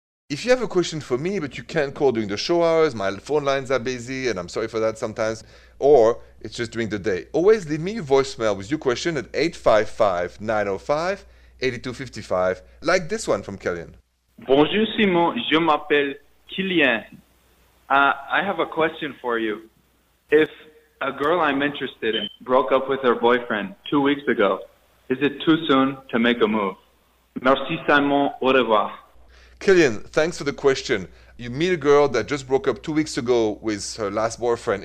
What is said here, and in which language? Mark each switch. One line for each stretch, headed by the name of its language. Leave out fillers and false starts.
English: If you have a question for me, but you can't call during the show hours, my phone lines are busy, and I'm sorry for that sometimes, or it's just during the day, always leave me a voicemail with your question at 855-905-8255, like this one from Kellyanne.
French: Bonjour Simon, je m'appelle Kylian.
English: I have a question for you. If a girl I'm interested in broke up with her boyfriend 2 weeks ago, is it too soon to make a move?
French: Merci Simon, au revoir.
English: Killian, thanks for the question. You meet a girl that just broke up 2 weeks ago with her last boyfriend.